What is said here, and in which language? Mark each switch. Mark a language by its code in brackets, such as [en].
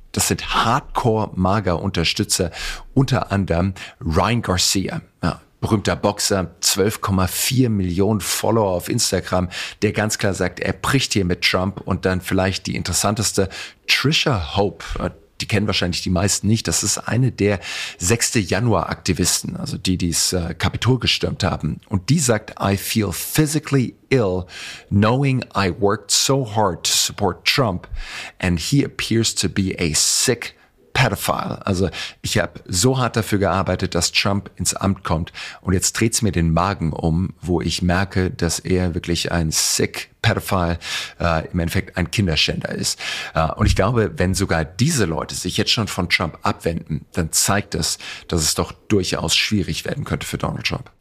[de] Das sind Hardcore-Mager-Unterstützer, unter anderem Ryan Garcia, ja, berühmter Boxer, 12,4 Millionen Follower auf Instagram, der ganz klar sagt, er bricht hier mit Trump. Und dann vielleicht die interessanteste, Trisha Hope, die kennen wahrscheinlich die meisten nicht. Das ist eine der 6. Januar-Aktivisten, also die, die das Kapitol gestürmt haben. [en] Und die sagt, I feel physically ill, knowing I worked so hard to support Trump and he appears to be a sick pedophile. [de] Also ich habe so hart dafür gearbeitet, dass Trump ins Amt kommt und jetzt dreht's mir den Magen um, wo ich merke, dass er wirklich ein [en] sick pedophile, [de] im Endeffekt ein Kinderschänder ist. Und ich glaube, wenn sogar diese Leute sich jetzt schon von Trump abwenden, dann zeigt das, dass es doch durchaus schwierig werden könnte für Donald Trump.